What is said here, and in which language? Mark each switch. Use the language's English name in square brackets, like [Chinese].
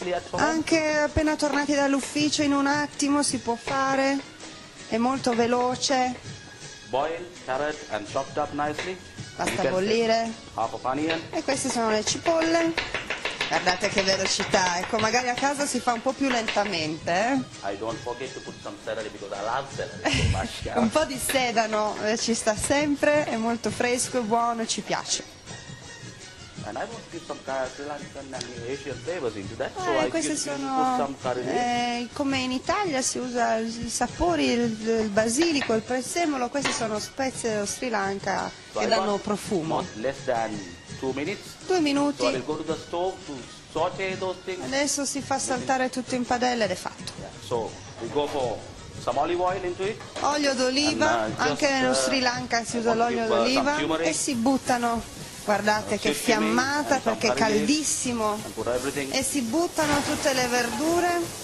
[Italian] Anche appena tornati dall'ufficio, in un attimo si può fare, è molto veloce. [English] Boil carrot and chopped up nicely. [Italian] Basta bollire. E queste sono le cipolle. Guardate che velocità. Ecco, magari a casa si fa un po' più lentamente. [English] I don't forget to put some celery because I love celery. [Italian] Un po' di sedano ci sta sempre, è molto fresco e buono e ci piace. [English] And I want to give some Sri Lankan and Asian flavors into that. So I [Italian] queste sono [English] put some curry. [Italian] Come in Italia si usa i sapori, il basilico, il prezzemolo, queste sono spezie dello Sri Lanka, [English] so [Italian] che danno profumo. [English] Less than 2 minutes. [Italian] 2 minuti. [English] So I'll go to the stove to saute those things. [Italian] Adesso si fa saltare tutto in padella ed è fatto. [English] Yeah. So we go for some olive oil into it. [Italian] Olio d'oliva, anche nello Sri Lanka si usa l'olio d'oliva e si buttano. Guardate che fiammata, perché è caldissimo. E si buttano tutte le verdure.